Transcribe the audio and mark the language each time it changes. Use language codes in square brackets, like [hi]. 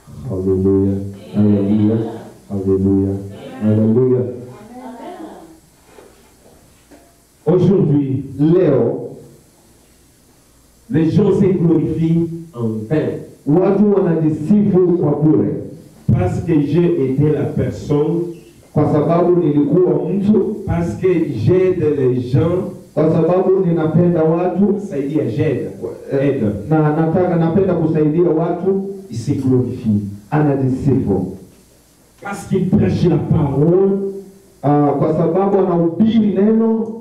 [fr] Alléluia, alléluia, alléluia, alléluia. Aujourd'hui, Léo, les gens se glorifient en vain. [sw] Watu wanajisifu kwa bure. [fr] Parce que j'ai été la personne. [sw] Kwa sababu nilikuwa mtu. [fr] Parce que j'aide les gens. [sw] Kwa sababu ninapenda watu. Saidia [fr] j'aide. [sw] Na nataka napenda kusaidia watu. [fr] Il se glorifie. [sw] Anajisifu. [fr] Parce qu'il prêche la parole. [sw] Kwa sababu anahubiri neno.